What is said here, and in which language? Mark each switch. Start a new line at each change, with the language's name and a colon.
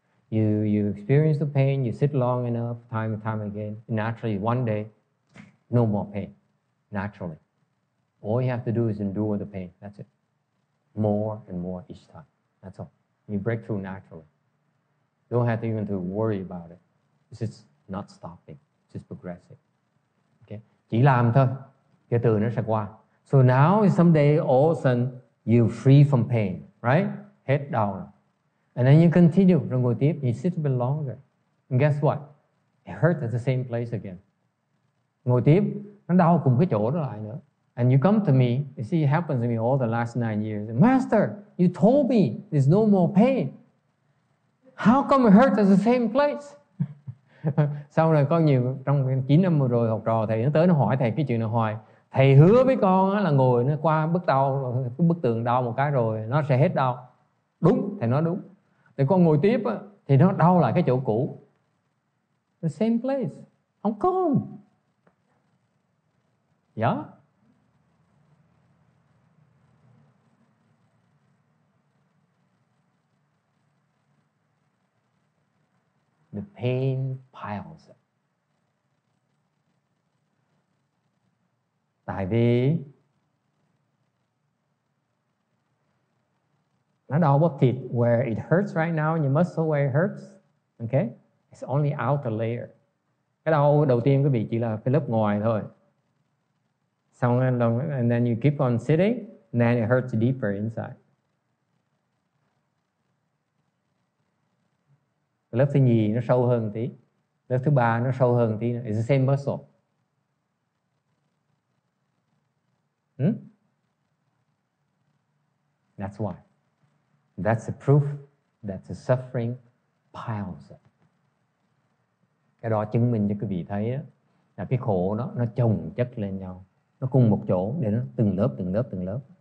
English: You experience the pain, you sit long enough, time and time again, naturally, one day, no more pain, naturally. All you have to do is endure the pain, that's it. More and more each time, that's all. You break through naturally. Don't have to even to worry about it. It's just not stopping, just progressing. Okay?
Vietnamese: Chỉ làm thôi, cái từ nó sẽ qua.
English: So now someday all of a sudden you're free from pain, right? Head down. And then you continue, don't go deep, you sit a bit longer. And guess what? It hurts at the same place again.
Vietnamese: Ngồi tiếp, nó đau cùng cái chỗ đó lại nữa.
English: And you come to me, you see, it happens to me all the last 9 years. Master, you told me there's no more pain. How come it hurts at the same place?
Vietnamese: Sau này có nhiều, trong 9 năm vừa rồi học trò thầy, nó tới nó hỏi thầy cái chuyện này hoài. Thầy hứa với con là ngồi nó qua bức đau, bức tường đau một cái rồi, nó sẽ hết đau. Đúng, thầy nói đúng. Thì con ngồi tiếp thì nó đau lại cái chỗ cũ.
English: The same place.
Vietnamese: Không có. Dạ.
English: The pain piles up.
Vietnamese: Tại vì nó đau bắp thịt
English: where it hurts right now in your muscle where it hurts. Okay? It's only outer layer.
Vietnamese: Cái đau đầu tiên quý vị chỉ là cái lớp ngoài thôi.
English: And then you keep on sitting, and then it hurts deeper inside.
Vietnamese: Lớp thứ nhì nó sâu hơn tí. Lớp thứ ba nó sâu hơn tí.
English: It's the same muscle. That's why. That's the proof that the suffering piles up.
Vietnamese: Cái đó chứng minh cho quý vị thấy đó, là cái khổ đó nó chồng chất lên nhau. Nó cùng một chỗ để nó từng lớp, từng lớp, từng lớp.